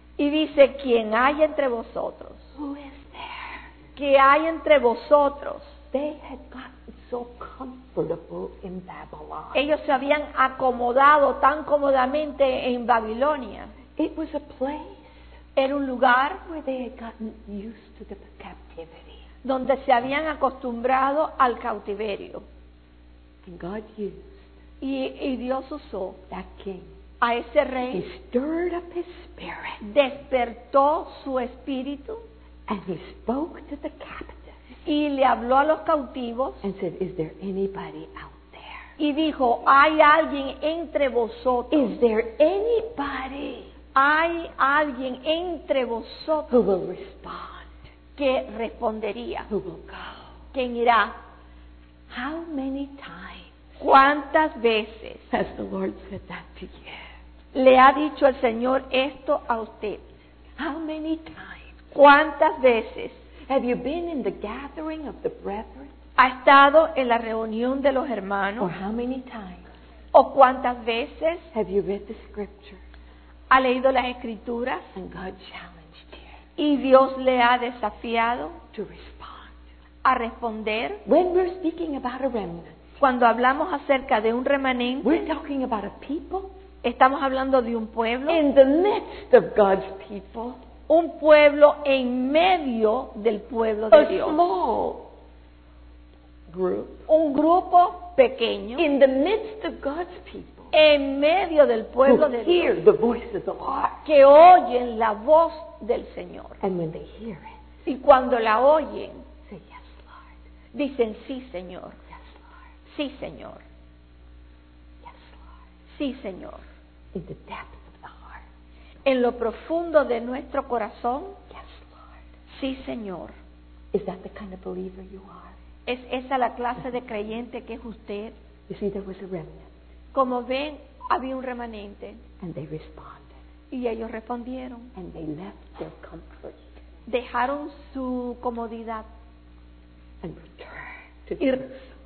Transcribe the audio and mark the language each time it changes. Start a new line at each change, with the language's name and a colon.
Spanish: Y dice, ¿quién hay entre vosotros?
English: Who is there?
Spanish: ¿Qué hay entre vosotros?
English: They had gotten so comfortable in Babylon.
Spanish: Ellos se habían acomodado tan cómodamente en Babilonia.
English: It was a place.
Spanish: Era un lugar
English: where they had gotten used to the captivity.
Spanish: Donde se habían acostumbrado al cautiverio.
English: And God used.
Spanish: Y Dios usó
English: that king.
Spanish: A ese rey.
English: He stirred up his spirit.
Spanish: Despertó su espíritu.
English: And he spoke to the captive.
Spanish: Y le habló a los cautivos.
English: And said, is there anybody out there?
Spanish: Y dijo, ¿hay alguien entre vosotros?
English: Is there anybody?
Spanish: ¿Hay alguien entre vosotros?
English: Who will respond?
Spanish: ¿Que respondería?
English: Who will go?
Spanish: ¿Quién irá?
English: How many times?
Spanish: ¿Cuántas veces?
English: Has the Lord said that to you?
Spanish: ¿Le ha dicho el Señor esto a usted?
English: How many times?
Spanish: ¿Cuántas veces?
English: Have you been in the gathering of the brethren?
Spanish: ¿Ha estado en la reunión de los hermanos?
English: Or how many times?
Spanish: ¿O cuántas veces?
English: Have you read the scriptures?
Spanish: ¿Ha leído las escrituras?
English: And God challenged you.
Spanish: ¿Y Dios le ha desafiado?
English: To respond.
Spanish: ¿A responder?
English: When we're speaking about a remnant.
Spanish: Cuando hablamos acerca de un remanente.
English: We're talking about a people.
Spanish: Estamos hablando de un pueblo.
English: In the midst of God's people.
Spanish: Un pueblo en medio del pueblo de Dios.
English: A small group.
Spanish: Un grupo pequeño.
English: In the midst of God's people.
Spanish: En medio del pueblo de Dios.
English: Hear the voice of the Lord.
Spanish: Que oyen la voz del Señor.
English: And when they hear it.
Spanish: Y cuando la oyen.
English: Say yes, Lord.
Spanish: Dicen sí, Señor.
English: Yes, Lord.
Spanish: Sí, Señor.
English: Yes, Lord.
Spanish: Sí, Señor.
English: In the depth.
Spanish: En lo profundo de nuestro corazón.
English: Yes, Lord.
Spanish: Sí, Señor.
English: Is that the kind of believer you are?
Spanish: ¿Es esa la clase de creyente que es usted?
English: You see, there was a remnant.
Spanish: Como ven, había un remanente.
English: And they responded.
Spanish: Y ellos respondieron.
English: And they left their comfort.
Spanish: Dejaron su comodidad.
English: And returned to Jerusalem.